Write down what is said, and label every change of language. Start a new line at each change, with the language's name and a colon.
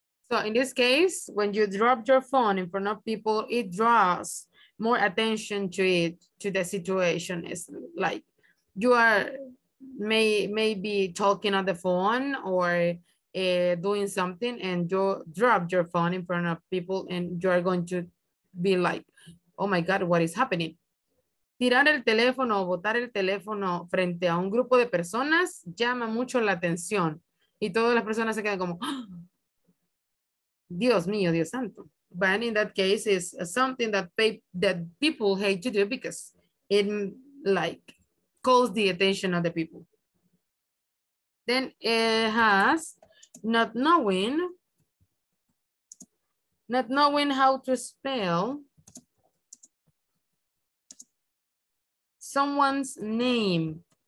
English: So in this case, when you drop your phone in front of people, it draws more attention to it, to the situation. It's like you are maybe talking on the phone or doing something and you drop your phone in front of people and you are going to be like, oh my God, what is happening?
Spanish: Tirar el teléfono o botar el teléfono frente a un grupo de personas llama mucho la atención y todas las personas se quedan como, Dios mío, Dios santo.
English: But in that case, it's something that that people hate to do because it like calls the attention of the people. Then it has not knowing how to spell someone's name.